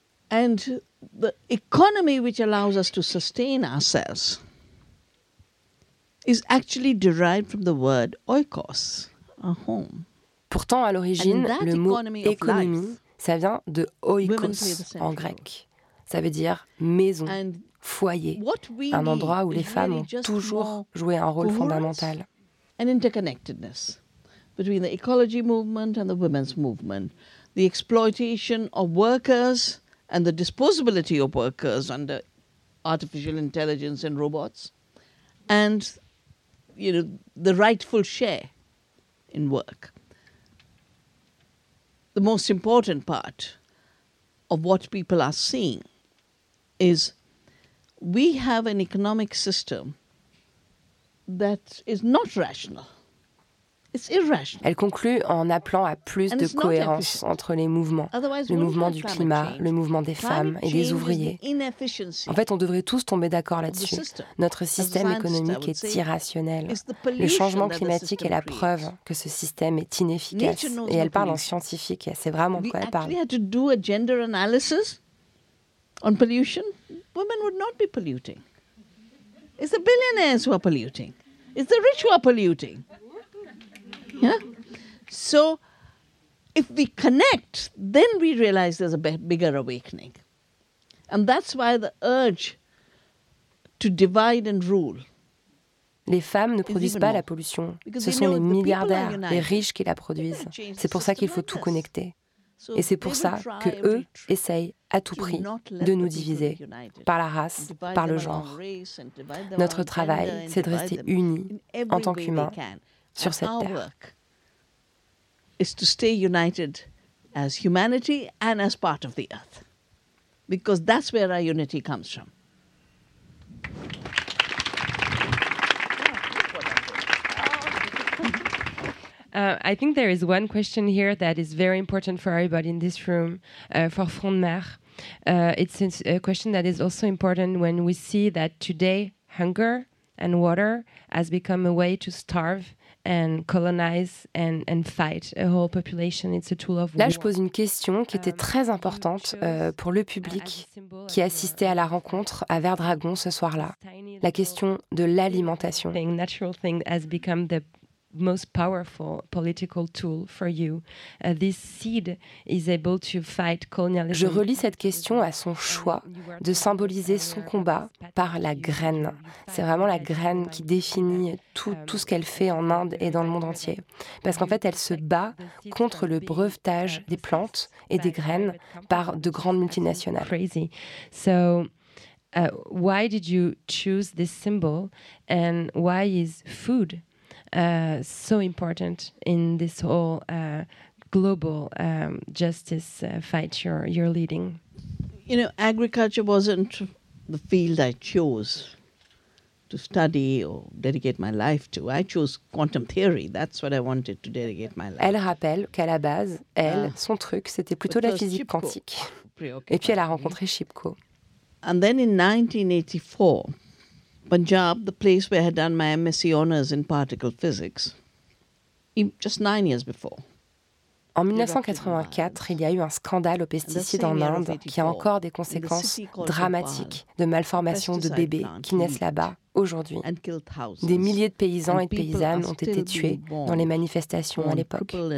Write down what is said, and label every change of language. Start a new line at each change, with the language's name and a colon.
English: And the economy which allows us to sustain ourselves is actually derived from the word oikos, our home.
French: Pourtant, à l'origine, le mot économie, ça vient de oikos en grec. Ça veut dire maison. And foyer, un endroit où les femmes ont toujours joué un rôle fondamental.
English: An interconnectedness between the ecology movement and the women's movement, the exploitation of workers and the disposability of workers under artificial intelligence and robots, and you know the rightful share in work. The most important part of what people are seeing is we have an economic system that is not rational. It's irrational.
French: Elle conclut en appelant à plus de cohérence entre les mouvements, le mouvement du climat, le mouvement des femmes et des ouvriers. En fait, on devrait tous tomber d'accord là-dessus. Notre système économique est irrationnel. Le changement climatique est la preuve que ce système est inefficace. Et elle parle en scientifique, et c'est vraiment quoi elle parle.
English: We actually had to do a gender analysis on pollution, women would not be polluting. It's the billionaires who are polluting. It's the rich who are polluting. Yeah? So if we connect, then we realize there's a bigger awakening. And that's why the urge to divide and rule.
French: Les femmes ne produisent pas la pollution. Ce sont les milliardaires, les riches qui la produisent. C'est pour ça qu'il faut tout connecter. Et c'est pour ça qu'eux essayent à tout prix de nous diviser par la race, par le genre. Notre travail, c'est de rester unis en tant qu'humains sur cette terre. Notre travail, c'est de rester unis en tant qu'humanité et en tant que partie de la terre. Parce que c'est là où notre unité vient.
English: I think there is one question here that is very important for everybody in this room, for Front de Mer. It's a question that is also important when we see that today hunger and water has become a way to starve and colonize and fight a whole population. It's a tool of war.
French: Là, je pose une question qui était très importante pour le public qui assistait à la rencontre à Verdragon ce soir-là. La question de l'alimentation.
English: Natural thing has become the most powerful political tool for you. This seed is able to fight colonialism.
French: Je relie cette question à son choix de symboliser son combat par la graine. C'est vraiment la graine qui définit tout ce qu'elle fait en Inde et dans le monde entier. Parce qu'en fait, elle se bat contre le brevetage des plantes et des graines par de grandes multinationales.
English: Crazy. So, why did you choose this symbol and why is food so important in this whole global justice fight you're leading? You know, agriculture wasn't the field I chose to study or dedicate my life to. I chose quantum theory. That's what I wanted to dedicate my life.
French: Elle rappelle qu'à la base, elle, son truc, c'était plutôt la physique quantique. Et puis elle a rencontré Shipko.
English: And then in 1984, Punjab, the place where I had done my MSc honors in particle physics, just 9 years before.
French: En 1984, il y a eu un scandale aux pesticides en Inde qui a encore des conséquences dramatiques de malformations de bébés qui naissent là-bas aujourd'hui. Des milliers de paysans et de paysannes ont été tués dans les manifestations à l'époque.